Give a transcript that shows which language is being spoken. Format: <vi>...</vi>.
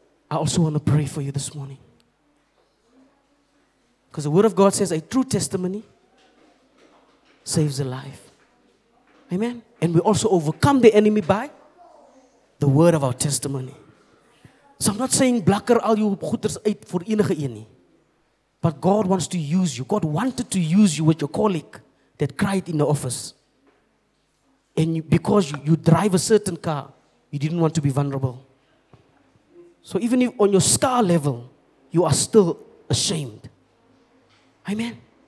<en>I also want to pray for you this morning. Because the word of God says a true testimony saves a life. Amen. And we also overcome the enemy by the word of our testimony. So I'm not saying</en> <af>blakker al jou goeders uit voor enige een nie.</af> <en>But God wants to use you. God wanted to use you with your colleague that cried in the office. And you, because you drive a certain car, you didn't want to be vulnerable. So even if on your scar level, you are still ashamed. Amen.</en>